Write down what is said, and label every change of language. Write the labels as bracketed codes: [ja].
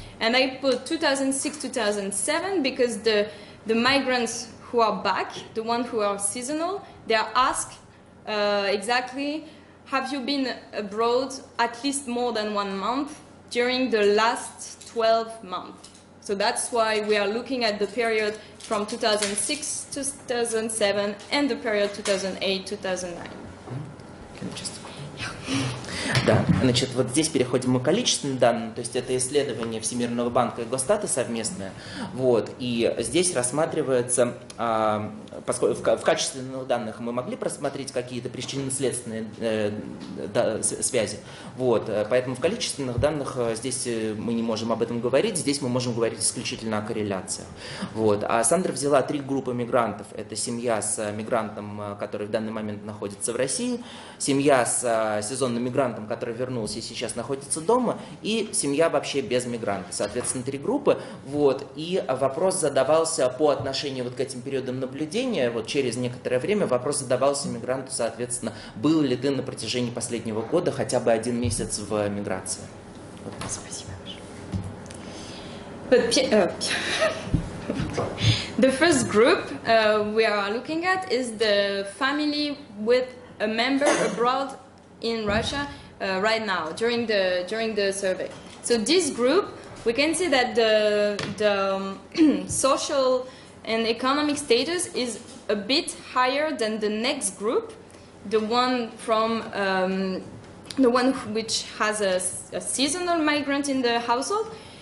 [en] And I put 2006-2007 because the migrants who are back, the ones who are seasonal, they are asked exactly, have you been abroad at least more than 1 month during the last 12 months? So that's why we are looking at the period from 2006-2007 and the period 2008-2009. Can I just... данные. [ru] Значит, вот здесь переходим мы к количественным данным, то есть это исследование Всемирного банка и Госстата совместное. Вот, и здесь рассматривается, поскольку в качественных данных мы могли просмотреть какие-то причинно-следственные связи, вот, поэтому в количественных данных здесь мы не можем об этом говорить, здесь мы можем говорить исключительно о корреляциях. Вот. А Сандра взяла три группы мигрантов. Это семья с мигрантом, который в данный момент находится в России, семья с сезонным мигрантом, который вернулся и сейчас находится дома, и семья вообще без мигранта. Соответственно, три группы. Вот. И вопрос задавался по отношению вот к этим периодам наблюдения. Вот через некоторое время вопрос задавался мигранту, соответственно, был ли ты на протяжении последнего года хотя бы один месяц в миграции. Вот. Спасибо. [en] But the first group we are looking at is the family with a member abroad in Russia right now during the survey. So this group, we can see that the social and economic status is a bit higher than the next group, the one from the one which has a seasonal migrant in the household.